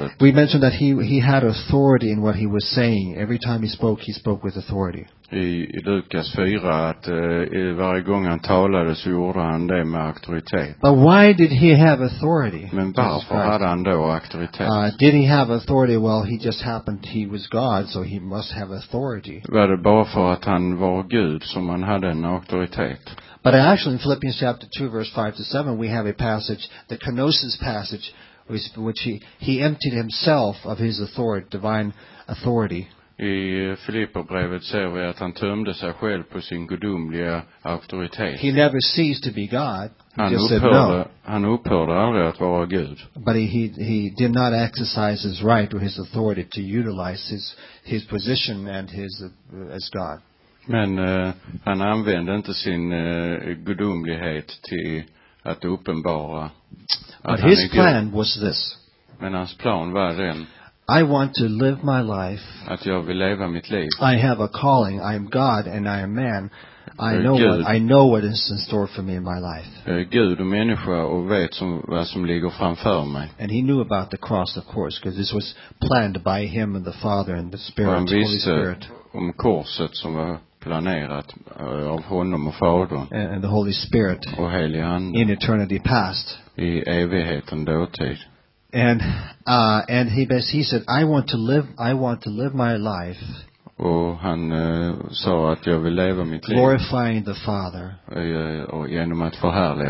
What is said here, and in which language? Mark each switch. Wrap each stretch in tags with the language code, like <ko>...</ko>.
<en>Jesus, we mentioned that he had authority in what he was saying. Every time he spoke with authority.</en> <sv>I Lukas 4, att varje gång han talade så gjorde han det med auktoritet.</sv> <en>But why did he have authority?</en> <sv>Men varför hade han då auktoritet?</sv> <en>Did he have authority? Well, he just happened, he was God, so he must have authority.</en> <sv>Var det bara för att han var Gud som han hade en auktoritet?</sv> <en>But actually in Philippians chapter 2, verse 5-7, we have a passage, the kenosis passage, which he emptied himself of his authority, divine authority.</en> <sv>I Filipperbrevet ser vi att han tömde sig själv på sin gudomliga auktoritet.</sv> <en>He never ceased to be God.</en> <sv>Han upphörde aldrig att vara Gud.</sv> <en>But he did not exercise his right or his authority to utilize his position and his as God.</en> <sv>Men han använde inte sin gudomlighet till att uppenbara att</sv> <en>his plan was this.</en> <sv>Men hans plan var den.</sv> <en>I want to live my life.</en> <sv>Att jag vill leva mitt liv.</sv> <en>I have a calling. I am God and I am man. I know what is in store for me in my life.</en> <sv>Gud och människa och vet vad som ligger framför mig.</sv> <en>And he knew about the cross, of course, because this was planned by him and the Father and the Spirit.</en> <sv>Han visste</sv> <en>Holy Spirit.</en> <sv>Om korset som var planerat av honom och Fadern.</sv> <en>And the Holy Spirit.</en> <sv>Och Helige Ande.</sv> <en>In eternity past.</en> <sv>I evigheten dåtid.</sv> <en>And he said, I want to live my life.</en> <sv>Och han sa att jag vill leva mitt liv.</sv> <en>Glorifying the Father.</en> <sv>Och genom att förhärliga</sv>